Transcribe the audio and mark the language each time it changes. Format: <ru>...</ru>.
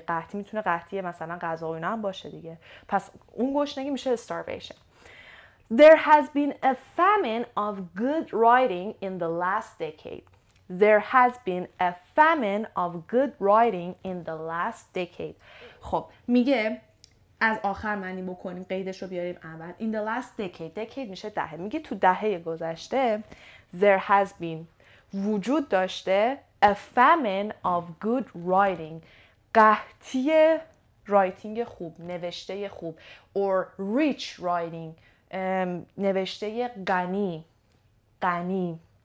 <fa>قحطی میتونه قحطی مثلا غذا و اینا هم باشه دیگه، پس اون گشنگی میشه starvation.</fa> <en>There has been a famine of good writing in the last decade. There has been a famine of good writing in the last decade.</en> <fa>خب میگه از آخر معنی بکنیم، قیدش رو بیاریم اول.</fa> <en>In the last decade،</en> <fa>decade میشه دهه. میگه تو دهه گذشته</fa> <en>there has been،</en> <fa>وجود داشته،</fa> <en>a famine of good writing،</en> <fa>قحطی رایتینگ خوب، نوشته خوب،</fa> <en>or rich writing،</en> <fa>نوشته غنی، غنی.</fa>